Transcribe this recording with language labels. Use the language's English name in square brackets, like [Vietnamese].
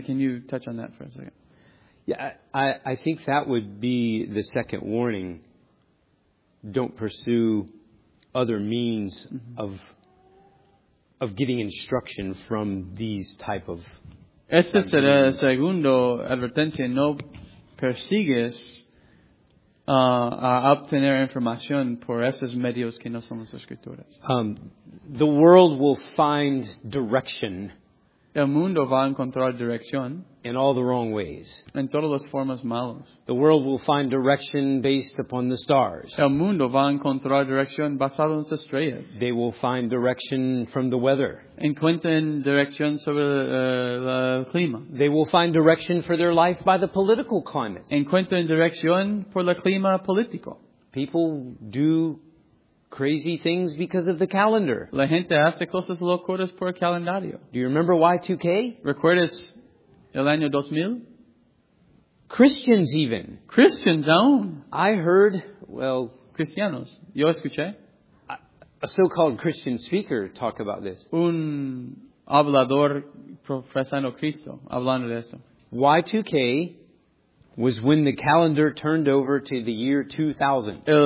[English] Can you touch on that for a second? Yeah, I think that would be the second warning. Don't pursue other means of getting instruction from these type of... [Spanish] Este será el segundo advertencia. No persigues a obtener información por esos medios que no son las escrituras. [English] The world will find direction. [Spanish] El mundo va a encontrar dirección. [English] In all the wrong ways. [Spanish] En todas las formas malas. [English] The world will find direction based upon the stars. [Spanish] El mundo va a encontrar dirección basado en las estrellas. [English] They will find direction from the weather. [Spanish] Encuentren dirección sobre el clima. [English] They will find direction for their life by the political climate. [Spanish] Encuentren dirección por el clima político. [English] People do crazy things because of the calendar. [Spanish] La gente hace cosas locas por el calendario. [English] Do you remember Y2K? [Spanish] ¿Recuerdas el año 2000? [English] Christians even. Christians own. I heard, well... [Spanish] Cristianos. Yo escuché. [English] A so-called Christian speaker talk about this. [Spanish] Un hablador profesando Cristo hablando de esto. [English] Y2K was when the calendar turned over to the year 2000.